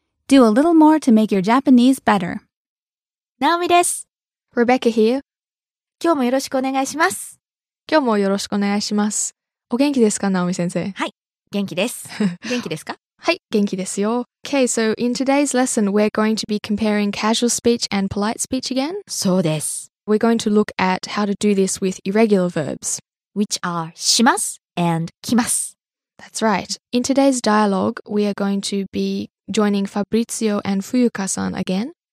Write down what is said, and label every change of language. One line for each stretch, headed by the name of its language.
English: Do a little more to make your Japanese better.
Japanese: Naomi です。
English: Rebecca here.
Japanese: 今日もよろしくお願いします。今日もよろしくお願いします。お元気ですか、Naomi 先生？はい、元気です。元気ですか？はい、元気ですよ。
English: Okay, so in today's lesson, we're going to be comparing casual speech and polite speech again.
Japanese: そうです。
English: We're going to look at how to do this with irregular verbs. Which are
Japanese: します。
English: And kimasu. That's right. In today's dialogue, we are going to be joining Fabrizio and Fuyuka-san again.